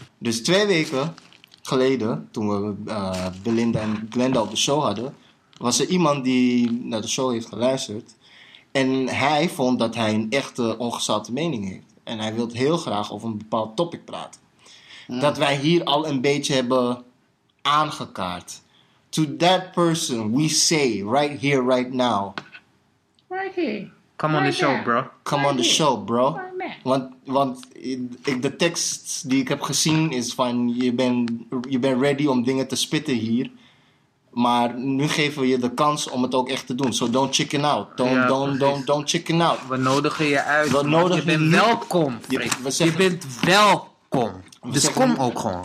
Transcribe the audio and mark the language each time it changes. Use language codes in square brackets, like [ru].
[nl] Dus 2 weken geleden, toen we Belinda en Glenda op de show hadden, was er iemand die naar de show heeft geluisterd. En hij vond dat hij een echte ongezouten mening heeft. En hij wilde heel graag over een bepaald topic praten. Ja. Dat wij hier al een beetje hebben aangekaart. [en] To that person, we say, right here, right now. Right here. Come on the show, bro. Come on the show, bro. [nl] Want de tekst die ik heb gezien is van, je bent ready om dingen te spitten hier. Maar nu geven we je de kans om het ook echt te doen. [en] So don't chicken out. Don't chicken out. [nl] We nodigen je uit. Je bent welkom. Je bent welkom. Dus kom ook gewoon.